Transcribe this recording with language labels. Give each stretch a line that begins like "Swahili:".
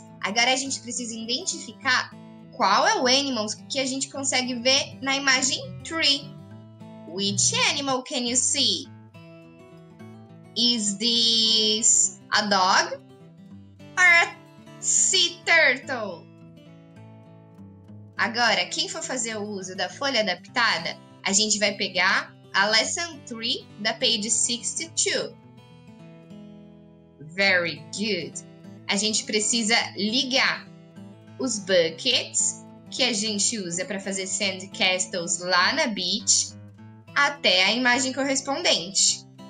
Portuguese: Agora a gente precisa identificar qual é o animal que a gente consegue ver na imagem 3.
English: Which animal can you see? Is this a dog or a sea turtle?
Portuguese: Agora, quem for fazer o uso da folha adaptada, a gente vai pegar a lesson 3 da page 62.
English: Very good.
Portuguese: A gente precisa ligar os buckets que a gente usa para fazer sand castles lá na beach até a imagem correspondente.